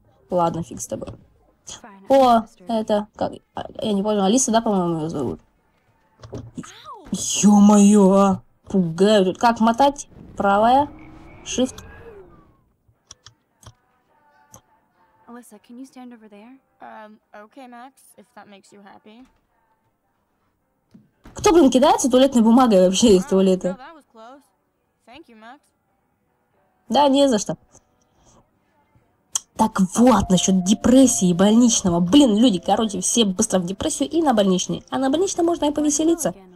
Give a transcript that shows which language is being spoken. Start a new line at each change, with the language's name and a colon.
Russian: Ладно, фиг с тобой. О, это, как, я не понял, Алиса, да, по-моему, ее зовут? Ё-моё, пугают. Как мотать? Правая, shift.
English: Алиса, can you stand over there? Okay, Max, if that makes you happy.
Russian: Кто, блин, кидается туалетной бумагой вообще из туалета?
English: No, that was close. Thank you, Max.
Russian: Да, не за что. Так вот, насчет депрессии и больничного. Блин, люди, короче, все быстро в депрессию и на больничный. А на больничном можно и повеселиться.